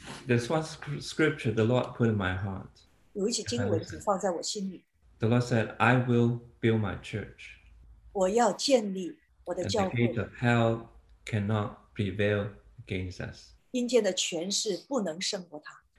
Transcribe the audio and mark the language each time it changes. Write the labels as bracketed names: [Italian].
[English] There's one scripture the Lord put in my heart. [Chinese] 有一些经文放在我心里。 [English] The Lord said, I will build my church. [Chinese] 我要建立我的教会。 [English] And the gate of hell cannot prevail against us. [Chinese] 阴间的权势不能胜过他。